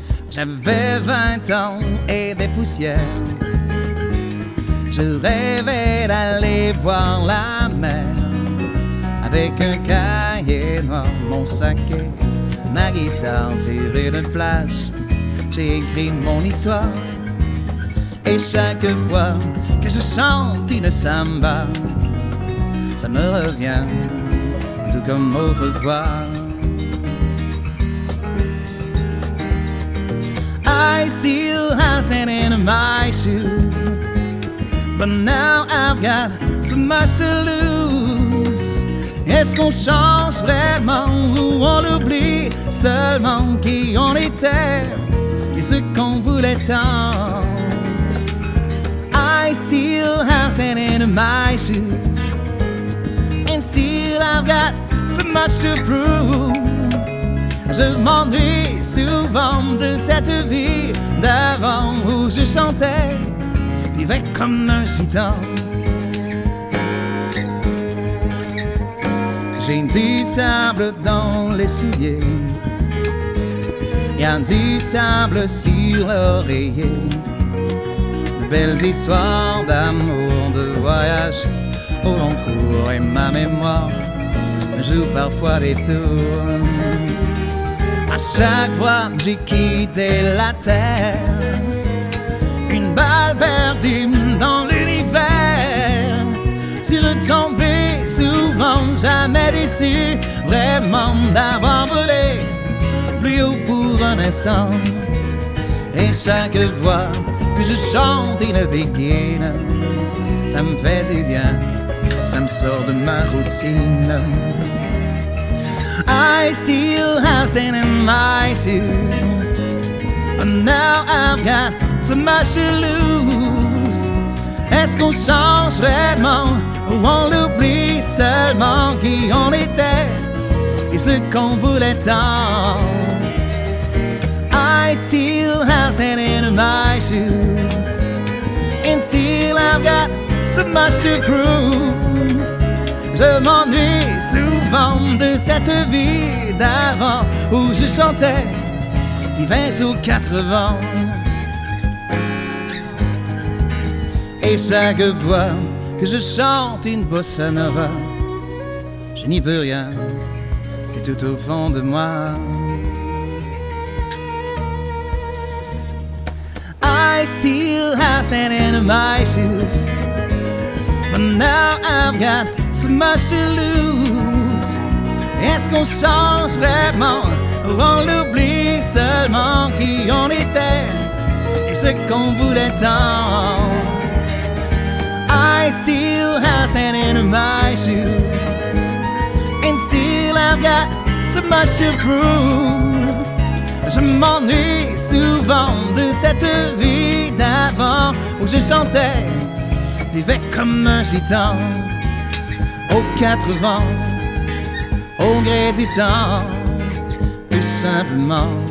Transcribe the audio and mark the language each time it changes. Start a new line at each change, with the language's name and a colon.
French: J'avais 20 ans et des poussières. Je rêvais d'aller voir la mer avec un cahier noir, mon sac et ma guitare sur une plage. J'ai écrit mon histoire et chaque fois que je chante une samba, ça me revient tout comme autrefois.
English: I still have sand in my shoes, but now I've got so much to lose.
French: Est-ce qu'on change vraiment ou on oublie seulement qui on était et ce qu'on voulait tant?
English: I still have sand in my shoes, and still I've got so much to prove.
French: Je m'ennuie souvent de cette vie d'avant où je chantais, vivais comme un gitan. J'ai du sable dans les souliers, y'a du sable sur l'oreiller. De belles histoires d'amour, de voyage au long cours, et ma mémoire me joue parfois des tours. À chaque fois que j'ai quitté la terre, une balle perdue dans l'univers. Sur le tombé, souvent jamais déçu, vraiment d'avoir volé plus haut pour un instant. Et chaque fois que je chante une begine, ça me fait du bien, ça me sort de ma routine.
English: I still have sand in my shoes, but now I've got so much to lose.
French: Est-ce qu'on change vraiment ou on l'oublie seulement qui on était et ce qu'on voulait tant?
English: I still have sand in my shoes, and still I've got so much to prove.
French: Je m'ennuie souvent de cette vie d'avant où je chantais, divins ou quatre vents. Et chaque fois que je chante une bossa nova, je n'y veux rien, c'est tout au fond de moi.
English: I still have sand in my shoes, but now I've got so much to lose.
French: Est-ce qu'on change vraiment ou on l'oublie seulement qui on était et ce qu'on voulait tant?
English: I still have sand in my shoes, and still I've got so much to prove.
French: Je m'ennuie souvent de cette vie d'avant où je chantais, vivais comme un gitan aux quatre vents. Au gré du temps, plus simplement.